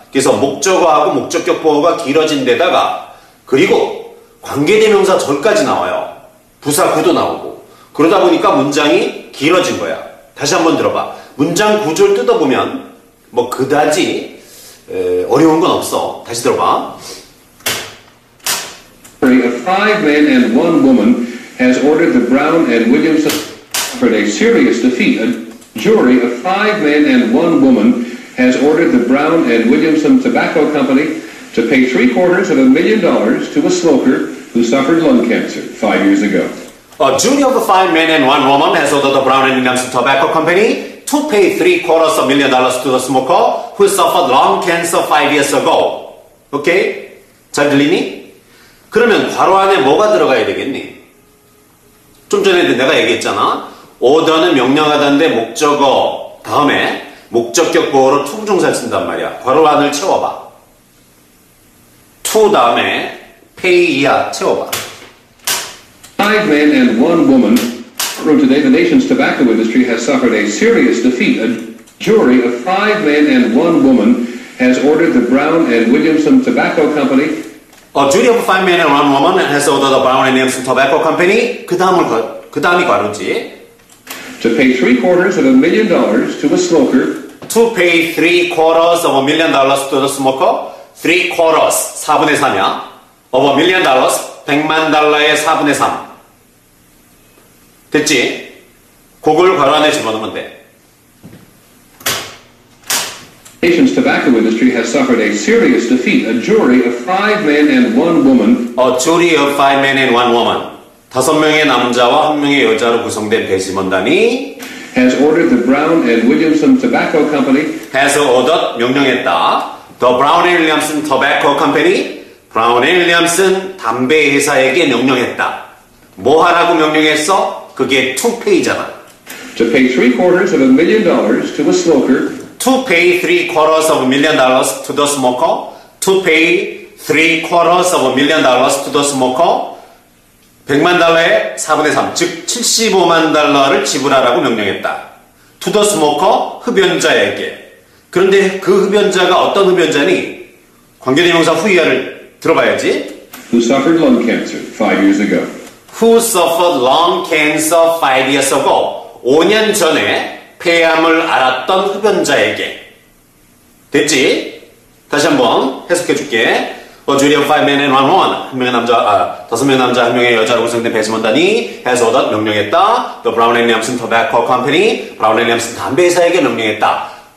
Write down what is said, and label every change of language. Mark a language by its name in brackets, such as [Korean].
[Korean] 그래서 목적어하고 목적격보어가 길어진 데다가 그리고 관계대명사 절까지 나와요. 부사구도 나오고. 그러다 보니까 문장이 길어진 거야. 다시 한번 들어봐. 문장 구조를 뜯어보면 뭐 그다지 어려운 건 없어. 다시 들어봐. [English] Five men and one woman has ordered the Brown and Williamson for a serious defeat. A jury of five men and one woman has ordered the Brown and Williamson Tobacco Company to pay $750,000 to a smoker who suffered lung cancer 5 years ago. A jury of five men and one woman has ordered the Brown and Williamson Tobacco Company to pay $750,000 to the smoker who suffered lung cancer 5 years ago. [Korean] Okay? 잘 들리니? 그러면 괄호 안에 뭐가 들어가야 되겠니? 좀 전에 내가 얘기했잖아. order는 명령하다인데 목적어 다음에 목적격보어로 to 부정사를 쓴단 말이야. 괄호 안을 채워봐. to 다음에 pay 이하 채워봐. [English] Five men and one woman. Today, the nation's tobacco industry has suffered a serious defeat. A jury of five men and one woman has ordered the Brown and Williamson Tobacco Company Duty of five men and one woman has ordered the Brown and Williamson Tobacco Company. [Korean] 그 다음이 과로지. [English] To pay $750,000 to a smoker. To pay $750,000 to the smoker. Three quarters, [Korean] 4분의 3이야. [English] Of $1,000,000, [Korean] 100만 달러의 4분의 3. 됐지? 그걸 괄호 안에 집어넣으면 돼. [English] The nation's tobacco industry has suffered a serious defeat. A jury of five men and one woman. A jury of five men and one woman. [Korean] 다섯 명의 남자와 한 명의 여자로 구성된 배심원단이 [English] has ordered the Brown and Williamson Tobacco Company has ordered, [Korean] 명령했다. The Brown and Williamson Tobacco Company, Brown and Williamson 담배 회사에게 명령했다. 뭐 하라고 명령했어? 그게 to pay잖아. [English] To pay $750,000 to a smoker. To pay $750,000 to the smoker. To pay $750,000 to the smoker. [Korean] 100만 달러의 4분의 3, 즉 75만 달러를 지불하라고 명령했다. [English] To the smoker, [Korean] 흡연자에게. 그런데 그 흡연자가 어떤 흡연자니? 관계대명사 who 이하를 들어봐야지. [English] Who suffered lung cancer 5 years ago. Who suffered lung cancer 5 years ago. [Korean] 5년 전에 폐암을 앓았던 흡연자에게. 됐지? 다시 한번 해석해 줄게. [English] A jury of five men and one woman. [Korean] 한 명의 남자, 다섯 명의 남자, 한 명의 여자로 구성된 배심원단이 [English] has ordered, [Korean] 명령했다. The Brown and Williamson Tobacco Company, Brown and Williamson 담배회사에게 명령했다.